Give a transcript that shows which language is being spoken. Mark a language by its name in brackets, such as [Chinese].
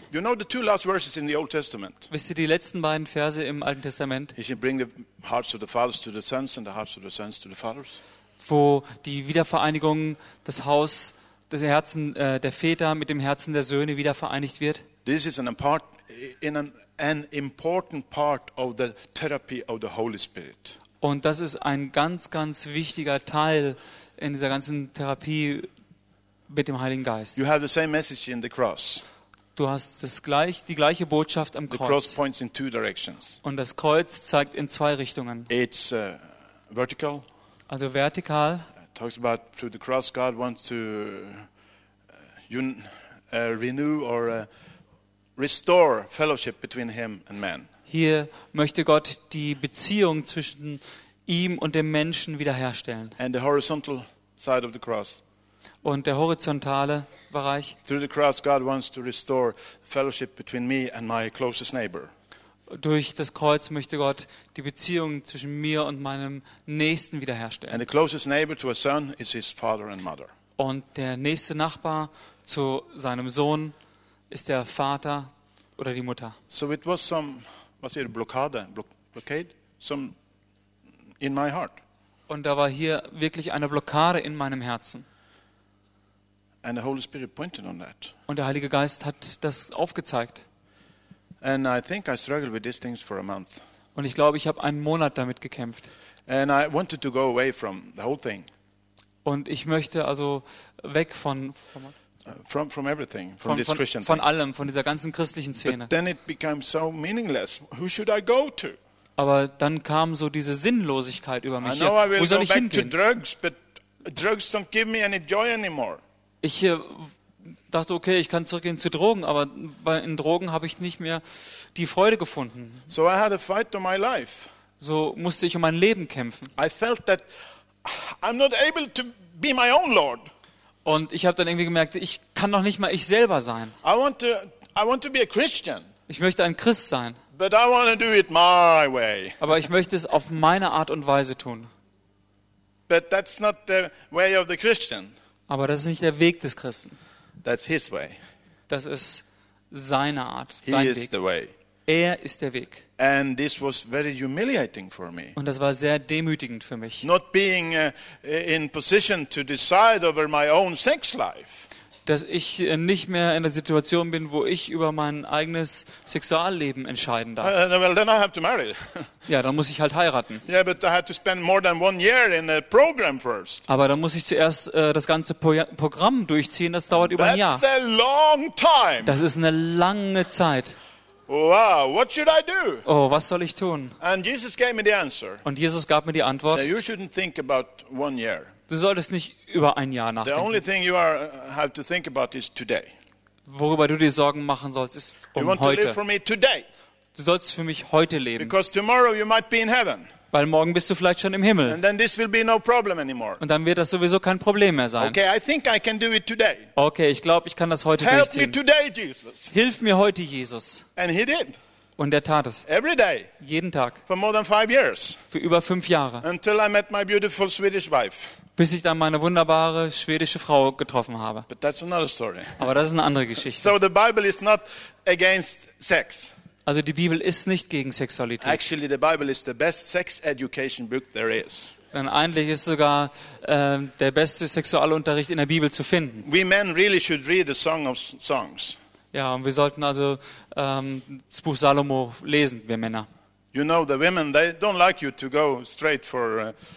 [English] You know the two last verses in the Old Testament. [German] Wisst ihr die letzten beiden Verse im Alten Testament? [English] He shall bring the hearts of the fathers to the sons and the hearts of the sons to the fathers. [German] Wo die Wiedervereinigung das Haus des Herzen der Väter mit dem Herzen der Söhne wiedervereinigt wird. [English] This is an important part of the therapy of the Holy Spirit. [German] Und das ist ein ganz ganz wichtiger Teil in dieser ganzen Therapie mit dem Heiligen Geist. [English] You have the same message in the cross. [German] Du hast die gleiche Botschaft am Kreuz. [English] The cross points in two directions. [German] Und das Kreuz zeigt in zwei Richtungen. [English] It's vertical. [German] Also vertikal. [English] It talks about through the cross God wants to renew or restore fellowship between him and man. [German] Hier möchte Gott die Beziehung zwischen ihm und dem Menschen wiederherstellen. [English] And the horizontal side of the cross. [German] Und der horizontale Bereich. [English] Through the cross God wants to restore fellowship between me and my closest neighbor. [German] Durch das Kreuz möchte Gott die Beziehung zwischen mir und meinem Nächsten wiederherstellen. [English] And the closest neighbor to a son is his father and mother. [German] Und der nächste Nachbar zu seinem Sohn ist der Vater oder die Mutter. [English] So it was some, was here, blockade, blockade, some in my heart. [German] Und da war hier wirklich eine Blockade in meinem Herzen. [English] And the Holy Spirit pointed on that. [German] Und der Heilige Geist hat das aufgezeigt. [English] And I think I struggled with these things for a month. [German] Und ich glaube, ich habe einen Monat damit gekämpft. [English] And I wanted to go away from the whole thing. [German] Und ich möchte also weg von [English] from everything, from this Christian thing. [German] Von allem, von dieser ganzen christlichen Szene. [English] But then it became so meaningless. Who should I go to? [German] Aber dann kam so diese Sinnlosigkeit über mich. [English] I know [German] hier, [English] I will [German] wo soll [English] go [German] ich [English] back [German] hingehen? [English] To drugs, but drugs don't give me any joy anymore. [German] Ich dachte, okay, ich kann zurückgehen zu Drogen, aber in Drogen habe ich nicht mehr die Freude gefunden. [English] So I had a fight on my life. [German] So musste ich um mein Leben kämpfen. [English] I felt that I'm not able to be my own Lord. [German] Und ich habe dann irgendwie gemerkt, ich kann doch nicht mal ich selber sein. [English] I want to be a Christian. [German] Ich möchte ein Christ sein. [English] But I want to do it my way. [German] Aber ich möchte es auf meine Art und Weise tun. [English] But that's not the way of the Christian. [German] Aber das ist nicht der Weg des Christen. [English] That's his way. [German] Das ist seine Art, [English] he [German] sein [English] is [German] Weg. [English] The way. [German] Er ist der Weg. [English] And this was very humiliating for me. [German] Und das war sehr demütigend für mich. [English] Not being in position to decide over my own sex life. [German] Dass ich nicht mehr in der Situation bin, wo ich über mein eigenes Sexualleben entscheiden darf. [English] Well, then I have to marry. [German] Ja, dann muss ich halt heiraten. [English] Yeah, but I had to spend more than one year in a program first. [German] Aber dann muss ich zuerst das ganze Programm durchziehen. Das dauert über ein Jahr. [English] That's a long time. [German] Das ist eine lange Zeit. [English] Wow, what should I do? [German] Oh, was soll ich tun? [English] And Jesus gave me the answer. [German] Und Jesus gab mir die Antwort. [English] So you shouldn't think about one year. [German] Du solltest nicht über ein Jahr nachdenken. [English] The only thing you have to think about is today. [German] Worüber du dir Sorgen machen sollst, ist um heute. [English] You want to live for me today. [German] Du sollst für mich heute leben. [English] Because tomorrow you might be in heaven. [German] Weil morgen bist du vielleicht schon im Himmel. [English] And then this will be no problem anymore. [German] Und dann wird das sowieso kein Problem mehr sein. [English] Okay, I think I can do it today. [German] Okay, ich glaube, ich kann das heute [English] Help [German] durchziehen. [English] Me today, Jesus. [German] Hilf mir heute, Jesus. [English] And he did. [German] Und er tat es. [English] Every day. [German] Jeden Tag. [English] For more than 5 years. [German] Für über 5 Jahre. [English] Until I met my beautiful Swedish wife. [German] bis ich dann meine wunderbare schwedische Frau getroffen habe. [English] But that's another story. [German] Aber das ist eine andere Geschichte. [English] So the Bible is not against sex. [German] Also die Bibel ist nicht gegen Sexualität. [English] Actually, the Bible is the best sex education book there is. [German] Denn eigentlich ist sogar der beste Sexualunterricht in der Bibel zu finden. [English] We men really should read the Song of Songs. [German] Ja, und wir sollten also das Buch Salomo lesen, wir Männer. [English] You know, the women, they don't like you to go straight for,